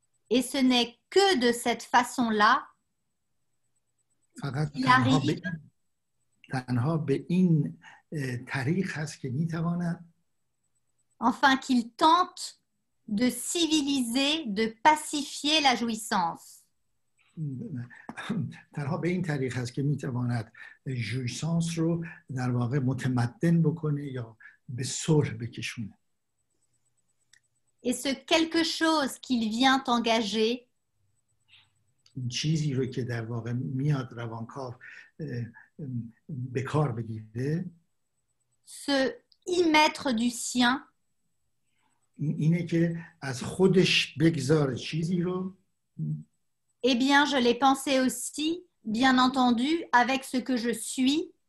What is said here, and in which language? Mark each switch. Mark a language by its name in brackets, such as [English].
[French] Et ce n'est que de cette façon-là qu'il tente de civiliser, de pacifier la jouissance. [Persian] تنها به این طریق هست که میتواند جویسانس رو در واقع متمدن بکنه یا به صلح بکشونه. [French] Et ce quelque chose qu'il vient engager [Persian] چیزی رو که در واقع میاد روانکاو به کار بگیره [French] se y mettre du sien [Persian] اینه که از خودش بگذاره چیزی رو [French] Eh bien, je l'ai pensé aussi, bien entendu, avec ce que je suis.